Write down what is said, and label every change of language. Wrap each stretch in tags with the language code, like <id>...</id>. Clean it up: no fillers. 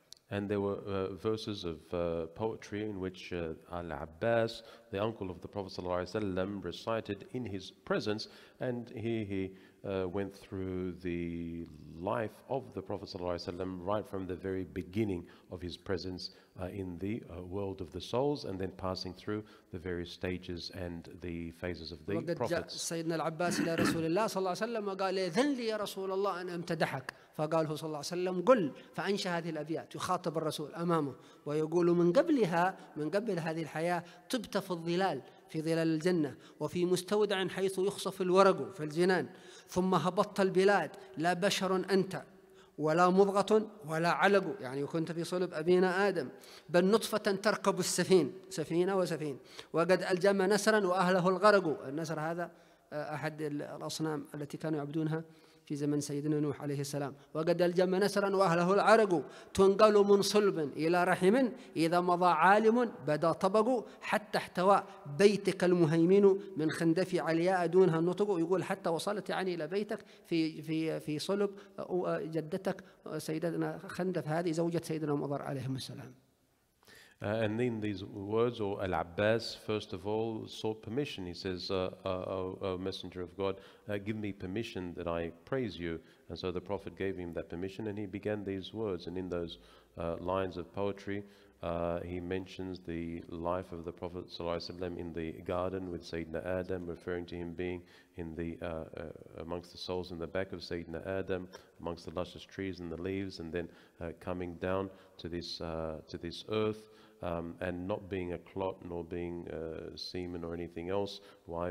<en>And there were verses of poetry in which Al-Abbas, the uncle of the Prophet sallallahu alaihi wasallam, recited in his presence. And here he went through the life of the Prophet sallallahu alaihi wasallam right from the very beginning of his presence in the world of the souls, and then passing through the various stages and the phases of the prophets.</en> <ar>سيدنا العباس إلى رسول الله صلى الله عليه وسلم وقال إذن لي يا رسول الله أن أمتدحك. فقاله صلى الله عليه وسلم قل، فأنشى هذه الأبيات يخاطب الرسول أمامه ويقول من قبل هذه الحياة طبت في الظلال في ظلال الجنة وفي مستودع حيث يخصف الورق في الجنان، ثم هبطت البلاد لا بشر أنت ولا مضغة ولا علق، يعني كنت في صلب أبينا آدم، بل نطفة تركب السفين سفينة وسفين، وقد ألجم نسرا وأهله الغرق. النسر هذا أحد الأصنام التي كانوا يعبدونها في زمن سيدنا نوح عليه السلام. وقد ألجم نسرا وأهله العرق، تنقل من صلب إلى رحم، إذا مضى عالم بدا طبق، حتى احتوى بيتك المهيمن من خندف علياء دونها النطق. يقول حتى وصلت يعني إلى بيتك في في في صلب جدتك سيدنا خندف، هذه زوجة سيدنا مضر عليهم السلام.</ar> <en>And in these words, or Al-Abbas, first of all, sought permission. He says, Messenger of God, give me permission that I praise you. And so the Prophet gave him that permission, and he began these words. And in those lines of poetry, he mentions the life of the Prophet in the garden with Sayyidina Adam, referring to him being in the amongst the souls in the back of Sayyidina Adam, amongst the luscious trees and the leaves, and then coming down to this earth, and not being a clot nor being semen or anything else. Why?</en>